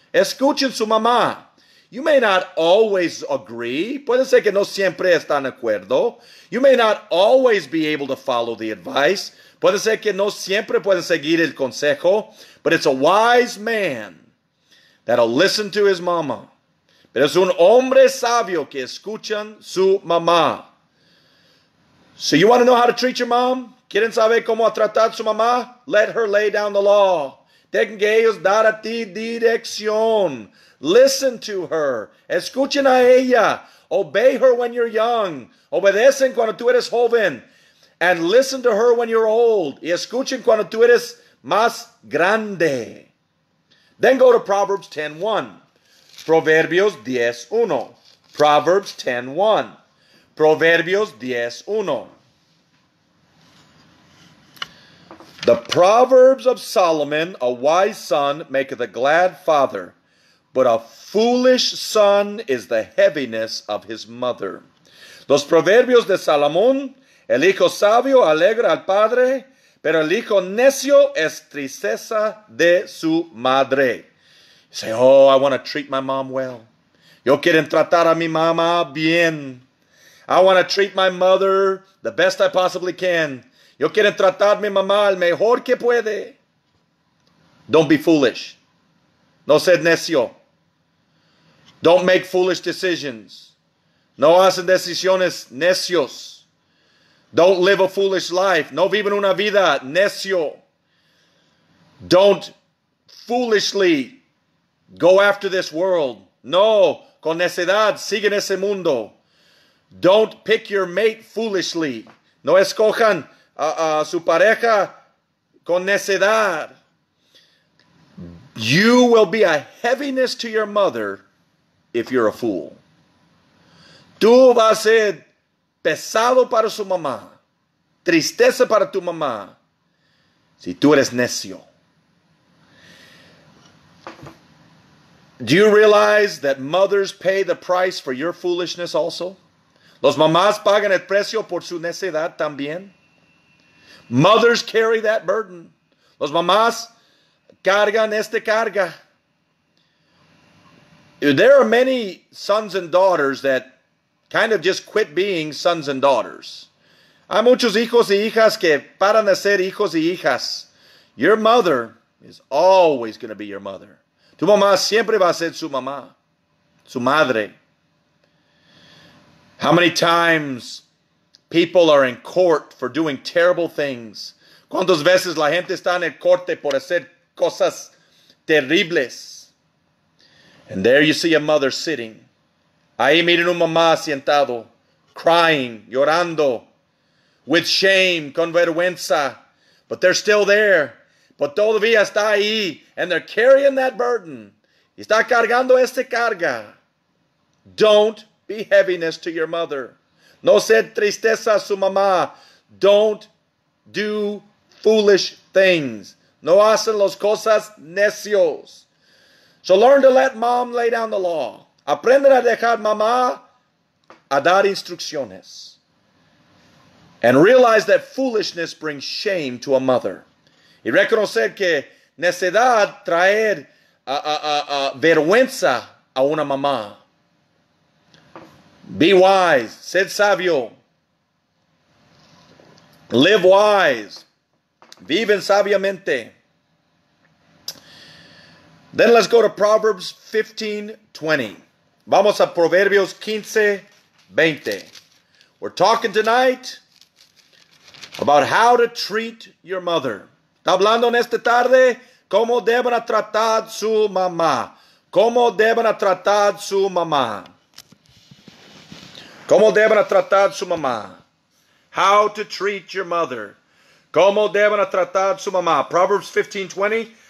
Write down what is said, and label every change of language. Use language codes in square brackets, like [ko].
[es] Escuchen su mamá. [en] You may not always agree. [es] Puede ser que no siempre están de acuerdo. [en] You may not always be able to follow the advice. [es] Puede ser que no siempre pueden seguir el consejo. [en] But it's a wise man that'll listen to his mama. [es] Pero es un hombre sabio que escuchan su mamá. [en] So you want to know how to treat your mom? [es] ¿Quieren saber cómo tratar su mamá? [en] Let her lay down the law. [es] Dejen que ellos dar a ti dirección. [en] Listen to her. [es] Escuchen a ella. [en] Obey her when you're young. [es] Obedecen cuando tú eres joven. [en] And listen to her when you're old. [es] Y escuchen cuando tú eres más grande. [en] Then go to Proverbs 10:1. Proverbios 10:1. Proverbs 10:1. Proverbios 10:1. The Proverbs of Solomon, a wise son, maketh a glad father, but a foolish son is the heaviness of his mother. [es] Los Proverbios de Salomón, el hijo sabio alegra al padre, Pero el hijo necio es tristeza de su madre. [en] You say, oh, I want to treat my mom well. [es] Yo quiero tratar a mi mamá bien. [en] I want to treat my mother the best I possibly can. [es] Yo quiero tratar a mi mamá el mejor que puede. [en] Don't be foolish. [es] No seas necio. [en] Don't make foolish decisions. [es] No hacen decisiones necios. [en] Don't live a foolish life. [es] No viven una vida necio. [en] Don't foolishly go after this world. [es] No, con necedad siguen ese mundo. [en] Don't pick your mate foolishly. [es] No escojan a su pareja con necedad. [en] You will be a heaviness to your mother if you're a fool. [es] Tú vas a ser pesado para su mamá, tristeza para tu mamá, si tú eres necio. [en] Do you realize that mothers pay the price for your foolishness also? [es] Los mamás pagan el precio por su necedad también. [en] Mothers carry that burden. [es] Los mamás cargan esta carga. [en] There are many sons and daughters that kind of just quit being sons and daughters. [es] Hay muchos hijos y hijas que paran de ser hijos y hijas. [en] Your mother is always going to be your mother. [es] Tu mamá siempre va a ser su mamá, su madre. [en] How many times people are in court for doing terrible things? [es] ¿Cuántas veces la gente está en el corte por hacer cosas terribles? [en] And there you see a mother sitting. [es] Ahí miren un mamá sentado, [en] crying, [es] llorando, [en] with shame, [es] con vergüenza. [en] But they're still there. But [es] todavía está ahí, [en] and they're carrying that burden. [es] Está cargando esta carga. [en] Don't be heaviness to your mother. [es] No sea tristeza a su mamá. [en] Don't do foolish things. [es] No hacen las cosas necios. [en] So learn to let mom lay down the law. [es] Aprender a dejar mamá a dar instrucciones. [en] And realize that foolishness brings shame to a mother. [es] Y reconocer que necedad trae vergüenza a una mamá. [en] Be wise. [es] Sed sabio. [en] Live wise. [es] Viven sabiamente. [en] Then let's go to Proverbs 15:20. [es] Vamos a Proverbios 15:20. [en] We're talking tonight about how to treat your mother. [es] Está hablando en esta tarde cómo deben tratar su mamá. Cómo deben tratar su mamá. Cómo deben tratar su mamá. [en] How to treat your mother. [es] Cómo deben tratar su mamá. Proverbs 15:20.